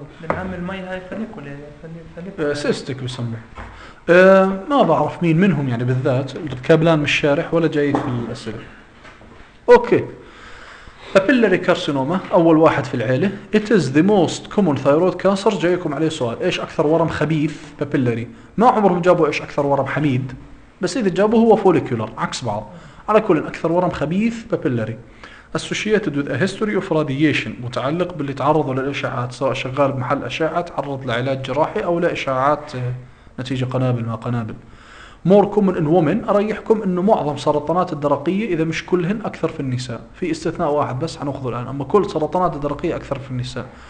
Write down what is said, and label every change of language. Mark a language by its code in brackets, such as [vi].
[ar] معمل مي هاي فليك ولا فليك؟ سيستك بسموه. ما بعرف مين منهم يعني بالذات. الكابلان مش شارح ولا جاي في الأسئلة. أوكي. Papillary carcinoma أول واحد في العيلة. [en] It is the most common thyroid cancer. [ar] جايكم عليه سؤال. إيش أكثر ورم خبيث papillary؟ ما عمرهم جابوا إيش أكثر ورم حميد. بس إذا جابوا هو follicular عكس بعض. على كل أكثر ورم خبيث papillary. [en] Associated with a history of radiation. [ar] متعلق باللي تعرضوا للإشعاعات سواء شغال بمحل أشعة تعرض لعلاج جراحي أو لإشعاعات نتيجة قنابل ما قنابل. [en] More common in women. [ar] أريحكم أنه معظم سرطانات الدرقية إذا مش كلهن أكثر في النساء. في استثناء واحد بس هنأخذه الآن. أما كل سرطانات الدرقية أكثر في النساء.